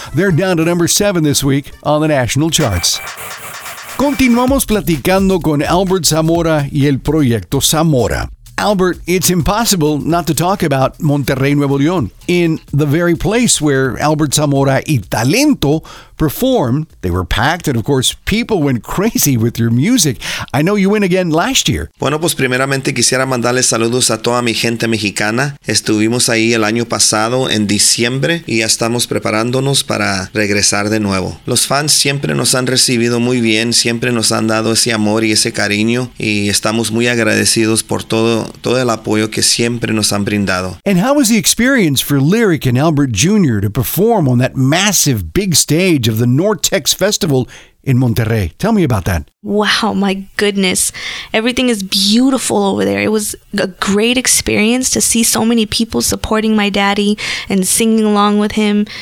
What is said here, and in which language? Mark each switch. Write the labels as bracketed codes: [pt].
[en] They're down to number 7 this week on the national charts. [es] Continuamos platicando con Albert Zamora y el Proyecto Zamora. [en] Albert, it's impossible not to talk about Monterrey, Nuevo León, in the very place where Albert Zamora y Talento performed. They were packed, and of course, people went crazy with your music. I know you went again last year. [es] Bueno, pues primeramente quisiera mandarles saludos a toda mi gente mexicana. Estuvimos ahí el año pasado, en diciembre, y ya estamos preparándonos para regresar de nuevo. Los fans siempre nos han recibido muy bien, siempre nos han dado ese amor y ese cariño, y estamos muy agradecidos por todo el apoyo que siempre nos han brindado. [en] And how was the experience for Lyric and Albert Jr. to perform on that massive big stage of the Nortex Festival in Monterrey? Tell me about that. Wow, my goodness. Everything is beautiful over there. It was a great experience to see so many people supporting my daddy and singing along with him.